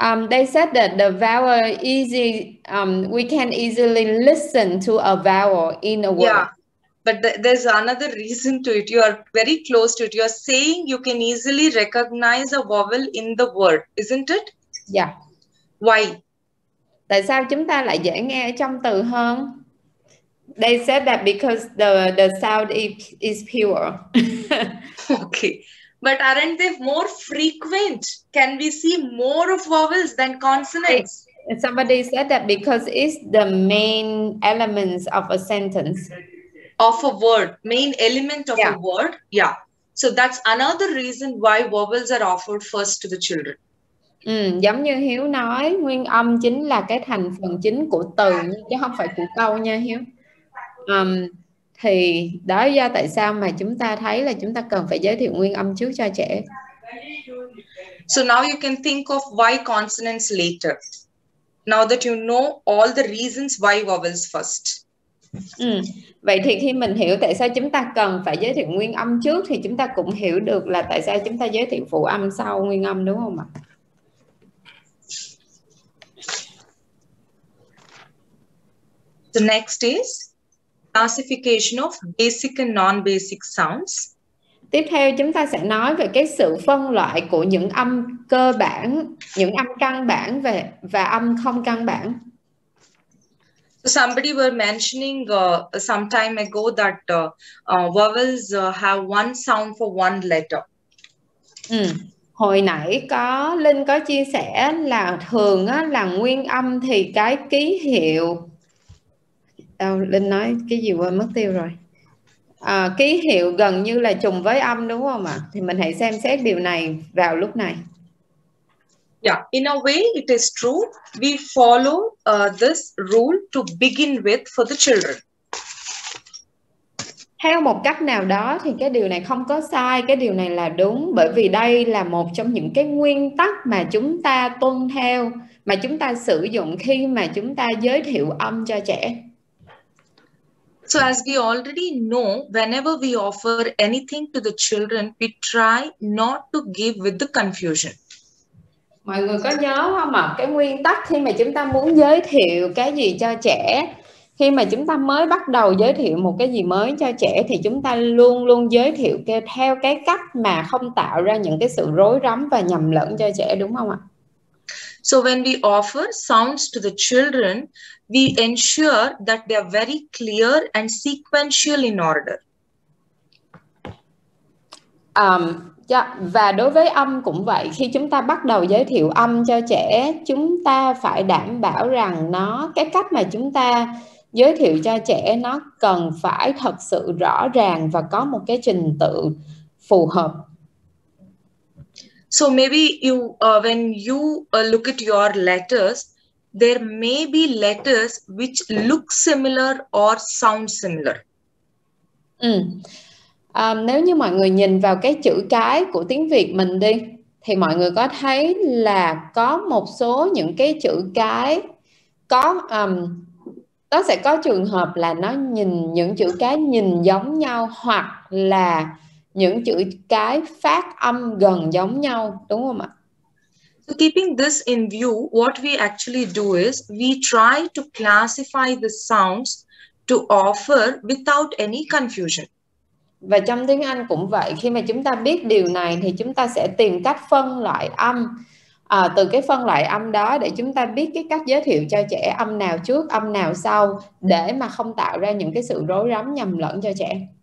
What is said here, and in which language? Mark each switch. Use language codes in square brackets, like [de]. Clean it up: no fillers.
[en] They said that the vowel easy, we can easily listen to a vowel in a word. Yeah, but there's another reason to it. You are very close to it. You are saying you can easily recognize a vowel in the word, isn't it? Yeah. Why? [vi] Tại sao chúng ta lại dễ nghe trong từ hơn? [en] They said that because the sound is pure. Okay. But aren't they more frequent? Can we see more of vowels than consonants? Somebody said that because it's the main elements of a sentence. Of a word. Main element of a word. Yeah. So that's another reason why vowels are offered first to the children. [vi] Giống như Hiếu nói, nguyên âm chính là cái thành phần chính của từ, chứ không phải của câu nha Hiếu. Thì đó là do tại sao mà chúng ta thấy là chúng ta cần phải giới thiệu nguyên âm trước cho trẻ. [en] So now you can think of why consonants later. Now that you know all the reasons why vowels first. [vi] Vậy thì khi mình hiểu tại sao chúng ta cần phải giới thiệu nguyên âm trước thì chúng ta cũng hiểu được là tại sao chúng ta giới thiệu phụ âm sau nguyên âm đúng không ạ? [en] The next is classification of basic and non-basic sounds. [vi] Tiếp theo chúng ta sẽ nói về cái sự phân loại của những âm cơ bản, những âm căn bản và âm không căn bản. [en] Somebody were mentioning some time ago that vowels have one sound for one letter. [vi] Hồi nãy có Linh có chia sẻ là thường á, là nguyên âm thì cái ký hiệu Linh nói cái gì quên mất tiêu rồi. Ký hiệu gần như là trùng với âm đúng không ạ? Thì mình hãy xem xét điều này vào lúc này. [en] Yeah, in a way it is true. We follow this rule to begin with for the children. [vi] Theo một cách nào đó thì cái điều này không có sai, cái điều này là đúng bởi vì đây là một trong những cái nguyên tắc mà chúng ta tuân theo, mà chúng ta sử dụng khi mà chúng ta giới thiệu âm cho trẻ. [en] So as we already know, whenever we offer anything to the children, we try not to give with the confusion. [vi] Mọi người có nhớ không ạ? Cái nguyên tắc khi mà chúng ta muốn giới thiệu cái gì cho trẻ, khi mà chúng ta mới bắt đầu giới thiệu một cái gì mới cho trẻ thì chúng ta luôn luôn giới thiệu theo cái cách mà không tạo ra những cái sự rối rắm và nhầm lẫn cho trẻ đúng không ạ? [en] So when we offer sounds to the children, we ensure that they are very clear and sequential in order. [vi] Và đối với âm cũng vậy, khi chúng ta bắt đầu giới thiệu âm cho trẻ, chúng ta phải đảm bảo rằng nó cái cách mà chúng ta giới thiệu cho trẻ nó cần phải thật sự rõ ràng và có một cái trình tự phù hợp. [en] So maybe you when you look at your letters, there may be letters which look similar or sound similar. [vi] Nếu như mọi người nhìn vào cái chữ cái của tiếng Việt mình đi thì mọi người có thấy là có một số những cái chữ cái có nó sẽ có trường hợp là nó nhìn những chữ cái nhìn giống nhau hoặc là những chữ cái phát âm gần giống nhau đúng không ạ? [en] So keeping this in view, what we actually do is we try to classify the sounds to offer without any confusion. [vi] Và trong tiếng Anh cũng vậy, khi mà chúng ta biết điều này thì chúng ta sẽ tìm cách phân loại âm từ cái phân loại âm đó để chúng ta biết cái cách giới thiệu cho trẻ âm nào trước, âm nào sau để mà không tạo ra những cái sự rối rắm nhầm lẫn cho trẻ.